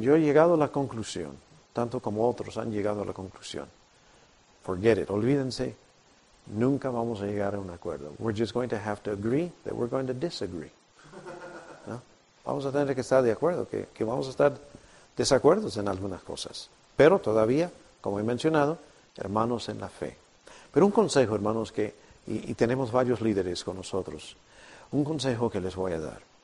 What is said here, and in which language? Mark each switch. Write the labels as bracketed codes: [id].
[es] Yo he llegado a la conclusión, tanto como otros han llegado a la conclusión. [en] Forget it. [es] Olvídense. Nunca vamos a llegar a un acuerdo. [en] We're just going to have to agree that we're going to disagree. [es] ¿No? Vamos a tener que estar de acuerdo, que vamos a estar desacuerdos en algunas cosas. Pero todavía, como he mencionado, hermanos en la fe. Pero un consejo, hermanos, que y tenemos varios líderes con nosotros, un consejo que les voy a dar.